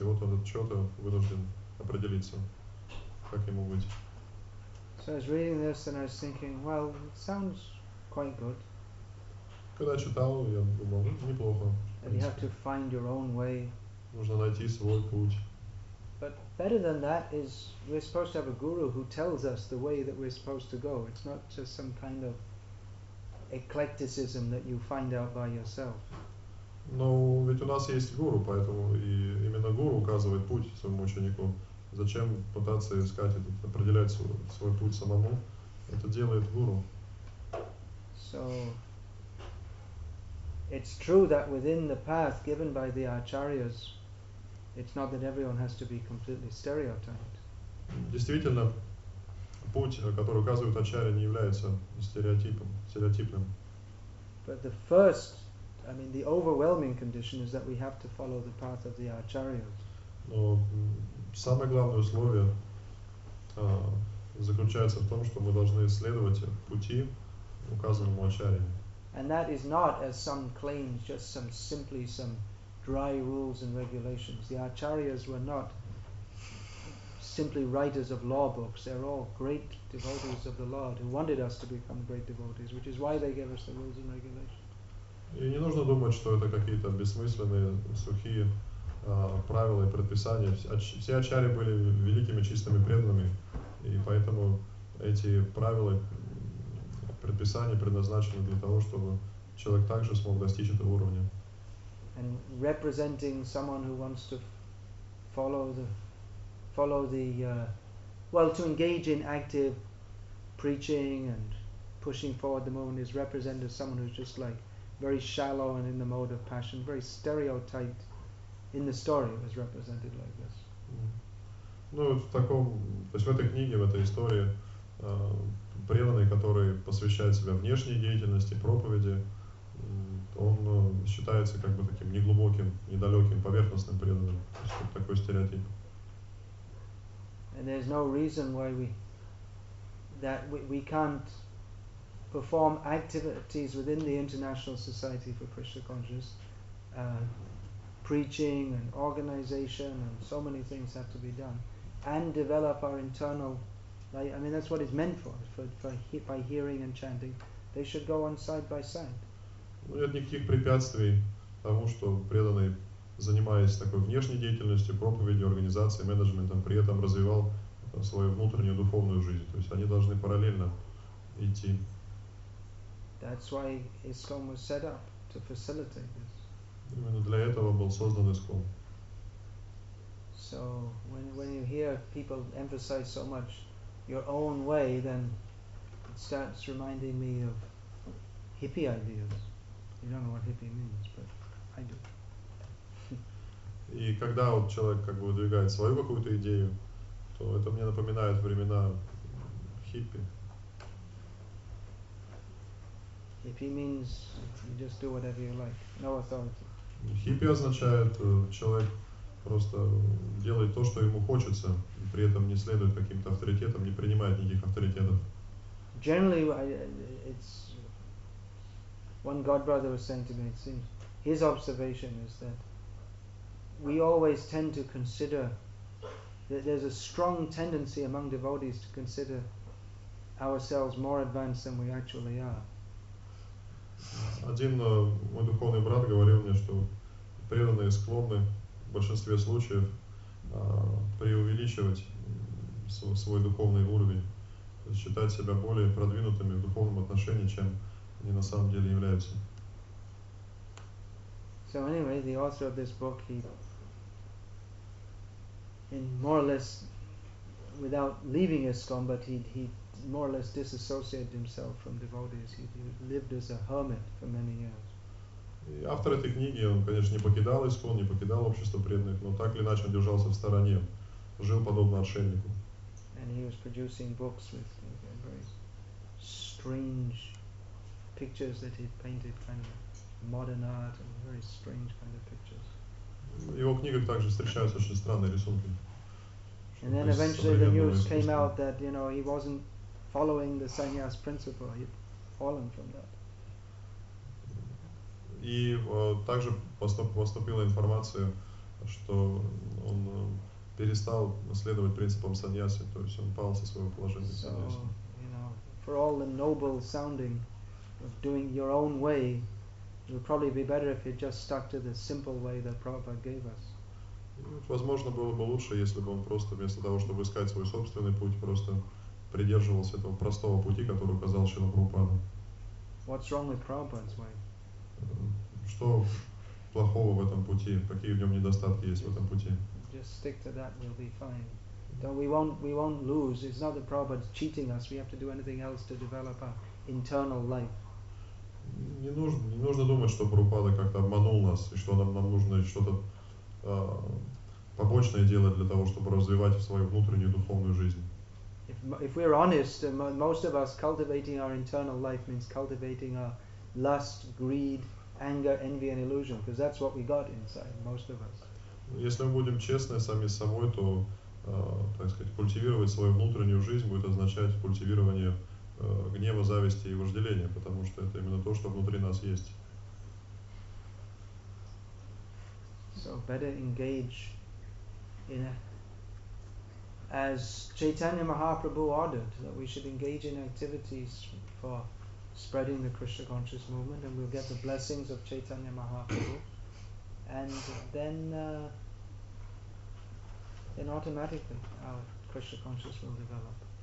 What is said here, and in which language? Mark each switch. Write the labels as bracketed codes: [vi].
[ru] И вот этот Чота вынужден определиться, как ему быть. [en] So I was reading this and I was thinking, well, it sounds quite good. [ru] Когда читал, я думал, неплохо. [en] And you have to find your own way. [ru] Нужно найти свой путь. [en] But better than that is we're supposed to have a guru who tells us the way that we're supposed to go. It's not just some kind of eclecticism that you find out by yourself. [ru] Но ведь у нас есть гуру, поэтому и именно гуру указывает путь своему ученику. Зачем пытаться искать этот, определять свой путь самому? Это делает гуру. [en] So, It's true that within the path given by the acharyas, it's not that everyone has to be completely stereotyped. [ru] Действительно, путь, который указывают ачарьи, не является стереотипным. [en] But the first, I mean, the overwhelming condition is that we have to follow the path of the acharyas. [ru] Но самое главное условие заключается в том, что мы должны следовать пути, указанному ачарьи. [en] And that is not, as some claim, just some simply some dry rules and regulations. The acharyas were not simply writers of law books. They're all great devotees of the Lord who wanted us to become great devotees, which is why they gave us the rules and regulations. [ru] И не нужно думать, что это какие-то бессмысленные, сухие правила и предписания. Все ачарьи были великими, чистыми преданными, и поэтому эти правила предписание предназначено для того, чтобы человек также смог достичь этого уровня. [en] And representing someone who wants to follow the to engage in active preaching and pushing forward the movement is represented as someone who's just like very shallow and in the mode of passion, very stereotyped in the story it was represented like this. [ru] Ну, в этой книге, в этой истории преданный, который посвящает себя внешней деятельности, проповеди, он считается как бы таким неглубоким, недалеким, поверхностным преданным. То есть, такой стереотип. [en] And there's no reason why we can't perform activities within the International Society for Krishna Consciousness. Preaching and organization and so many things have to be done. And develop our internal like, I mean, that's what it's meant for hearing and chanting. They should go on side by side. [ru] Ну, нет никаких препятствий тому, что преданный, занимаясь такой внешней деятельностью, проповедью, организацией, менеджментом, при этом развивал свою внутреннюю духовную жизнь. То есть они должны параллельно идти. [en] That's why ISKCON was set up, to facilitate this. [ru] Именно для этого был создан ISKCON. [en] So, when you hear people emphasize so much your own way, then it starts reminding me of hippie ideas. You don't know what hippie means, but I do. [ru] И когда вот человек как бы выдвигает свою какую-то идею, то это мне напоминает времена хиппи. [en] Hippie means you just do whatever you like, no authority. [ru] Хиппи означает, человек просто делает то, что ему хочется, при этом не следует каким-то авторитетам, не принимает никаких авторитетов. [en] Generally, it's one God brother was saying to me, it seems, his observation is that we always tend to consider that there's a strong tendency among devotees to consider ourselves more advanced than we actually are. [ru] Один мой духовный брат говорил мне, что преданные склонны в большинстве случаев преувеличивать свой духовный уровень, считать себя более продвинутыми в духовном отношении, чем они на самом деле являются. [en] So anyway, the author of this book, he, in more or less, without leaving ISKCON, but he more or less disassociated himself from devotees. He lived as a hermit for many years. [ru] И автор этой книги, он, конечно, не покидал ИСКОН, не покидал общество преданных, но так или иначе он держался в стороне, жил подобно отшельнику. [en] And he was producing books with very strange pictures that he painted, kind of modern art and very strange kind of pictures. [ru] В его книгах также встречаются очень странные рисунки. [en] And then eventually the news came out that, you know, he wasn't following the sannyas principle, he'd fallen from that. [ru] И также поступила информация, что он перестал следовать принципам саньяси, то есть он пал со своего положения саньяси. [en] So, you know, for all the noble sounding of doing your own way, it would probably be better if you just stuck to the simple way that Prabhupada gave us. [ru] Возможно, было бы лучше, если бы он просто вместо того, чтобы искать свой собственный путь, просто придерживался этого простого пути, который указал Шрила Прабхупада. [en] What's wrong with Prabhupada's way? [ru] Что плохого в этом пути? Какие в нем недостатки есть в этом пути? [en] Just stick to that, we'll be fine. Though we won't lose. It's not the Prabhupada cheating us. We have to do anything else to develop our internal life. [ru] Не нужно думать, что Прабхупада как-то обманул нас, и что нам нужно что-то побочное делать для того, чтобы развивать свою внутреннюю духовную жизнь. [en] If we're honest, most of us cultivating our internal life means cultivating our lust, greed, anger, envy and illusion, because that's what we got inside, most of us. [ru] Если мы будем честны сами с собой, то, так сказать, культивировать свою внутреннюю жизнь будет означать культивирование гнева, зависти и вожделения, потому что это именно то, что внутри нас есть. [en] So better engage in a, as Chaitanya Mahaprabhu ordered, that we should engage in activities for spreading the Krishna conscious movement, and we'll get the blessings of Chaitanya Mahaprabhu, and then automatically our Krishna conscious will develop.